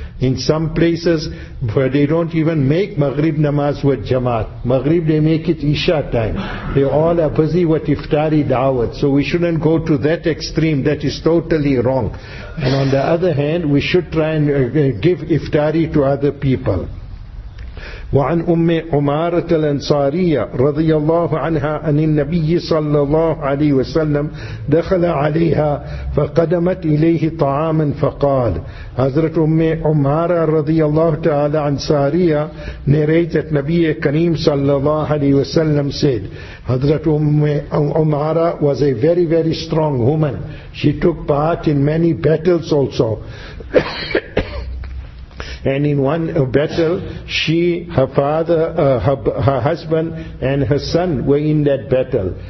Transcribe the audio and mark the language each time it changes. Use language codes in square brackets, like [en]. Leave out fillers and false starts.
[en] In some places where they don't even make Maghrib namaz with Jamaat, Maghrib they make it Isha time. They all are busy with iftari da'awat. So we shouldn't go to that extreme. That is totally wrong. And on the other hand, we should try and give iftari to other people. [ar] وعن أم عمارة الأنصارية رضي الله عنها أن النبي صلى الله عليه وسلم دخل عليها فقدمت إليه طعاما فقال. حضرت أم عمارة رضي الله تعالى عن سارية narrated نبي كريم صلى الله عليه وسلم said. [en] حضرت أم عمارة was a very very strong woman. She took part in many battles also. And in one battle, she, her father, her husband and her son were in that battle.